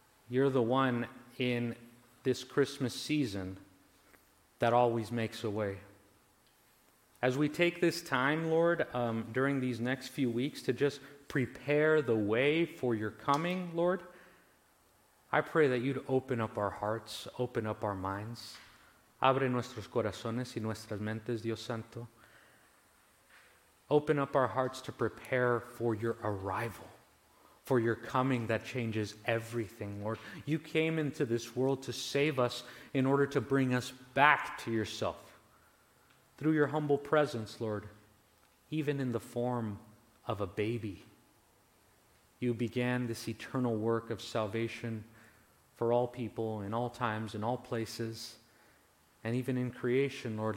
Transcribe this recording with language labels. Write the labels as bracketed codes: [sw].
[en] You're the one in this Christmas season that always makes a way. As we take this time, Lord, during these next few weeks to just prepare the way for your coming, Lord, I pray that you'd open up our hearts, open up our minds. [es] Abre nuestros corazones y nuestras mentes, Dios Santo. [en] Open up our hearts to prepare for your arrival, for your coming that changes everything, Lord. You came into this world to save us in order to bring us back to yourself. Through your humble presence, Lord, even in the form of a baby, you began this eternal work of salvation for all people in all times, in all places, and even in creation, Lord.